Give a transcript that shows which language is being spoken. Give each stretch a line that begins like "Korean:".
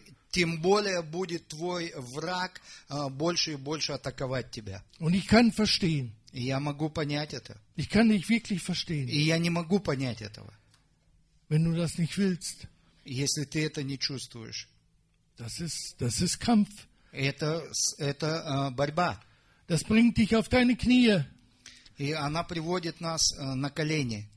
Russian: Тем более будет твой враг больше и больше атаковать тебя.
German: Und ich kann verstehen.
Russian: Я могу понять это.
German: Ich kann dich wirklich verstehen.
Russian: Я не могу понять этого.
German: Wenn du das nicht willst.
Russian: Если ты это не чувствуешь.
German: Das ist Kampf.
Russian: Это борьба.
German: Das bringt dich auf deine Knie.
Russian: И она приводит нас на колени.